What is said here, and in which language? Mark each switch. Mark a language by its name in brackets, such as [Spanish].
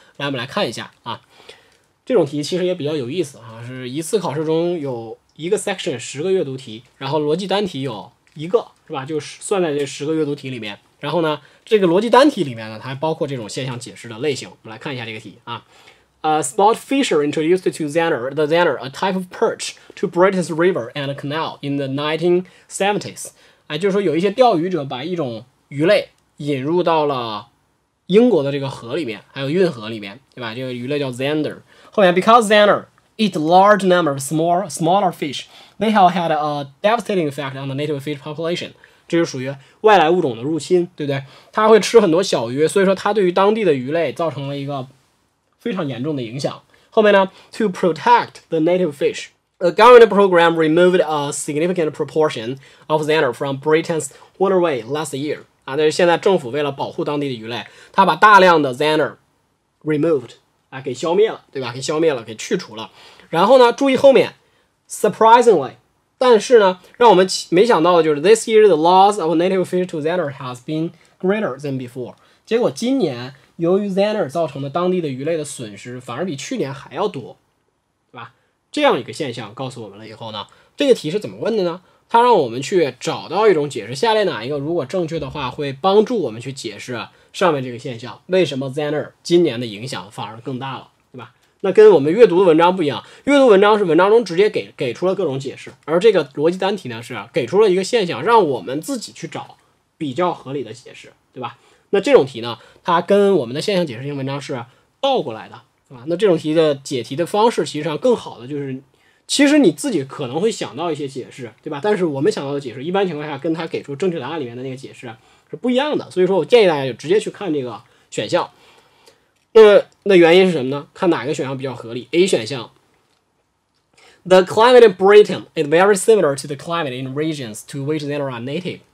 [Chinese] 来，我们来看一下啊，这种题其实也比较有意思啊，是一次考试中有一个 section 十个阅读题，然后逻辑单题有一个，是吧？就算在这十个阅读题里面，然后呢，这个逻辑单题里面呢，它还包括这种现象解释的类型。我们来看一下这个题啊。 [English] Spot fisher introduced to Zanner, the Zanner, a type of perch, to British River and Canal in the 1970s. [Chinese] 哎，就是说有一些钓鱼者把一种鱼类引入到了英国的这个河里面，还有运河里面，对吧？这个鱼类叫 Zanner。后面 [English] because Zanner eat large number of smaller fish, they have had a devastating effect on the native fish population. [Chinese] 这是属于外来物种的入侵，对不对？它会吃很多小鱼，所以说它对于当地的鱼类造成了一个非常严重的影响。后面呢 [English] ，to protect the native fish, a government program removed a significant proportion of Zanner from Britain's waterway last year. [Chinese] 啊，那是现在政府为了保护当地的鱼类，它把大量的 Zanner removed， 啊，给消灭了，对吧？给消灭了，给去除了。然后呢，注意后面 ，surprisingly。但是呢，让我们没想到的就是 [English] ，this year the loss of native fish to Zanner has been greater than before。 [Chinese] 结果今年由于 Zanner 造成的当地的鱼类的损失反而比去年还要多，对吧？这样一个现象告诉我们了以后呢，这个题是怎么问的呢？它让我们去找到一种解释，下列哪一个如果正确的话，会帮助我们去解释上面这个现象，为什么 Zanner 今年的影响反而更大了？那跟我们阅读的文章不一样，阅读文章是文章中直接给出了各种解释，而这个逻辑单题呢是给出了一个现象，让我们自己去找比较合理的解释，对吧？那这种题呢，它跟我们的现象解释性文章是倒过来的，对吧？那这种题的解题的方式其实上更好的就是，其实你自己可能会想到一些解释，对吧？但是我们想到的解释一般情况下跟它给出正确答案里面的那个解释是不一样的，所以说我建议大家就直接去看这个选项。那原因是什么呢？看哪个选项比较合理。 [English] A [Chinese] 选项 [English] ，The climate in Britain is very similar to the climate in regions to which Zander are native。